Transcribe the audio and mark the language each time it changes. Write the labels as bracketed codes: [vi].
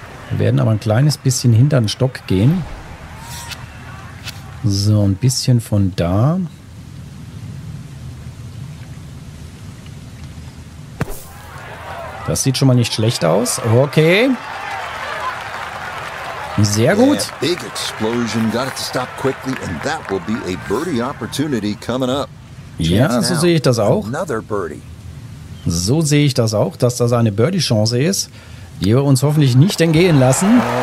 [de] Wir werden aber ein kleines bisschen hinter den Stock gehen. So, ein bisschen von da. Das sieht schon mal nicht schlecht aus. Okay. Sehr gut. [en] Yeah, big explosion. Got it to stop quickly and that will be a birdie opportunity coming up. [de] Ja, so sehe ich das auch. So sehe ich das auch, dass das eine Birdie-Chance ist, die wir uns hoffentlich nicht entgehen lassen.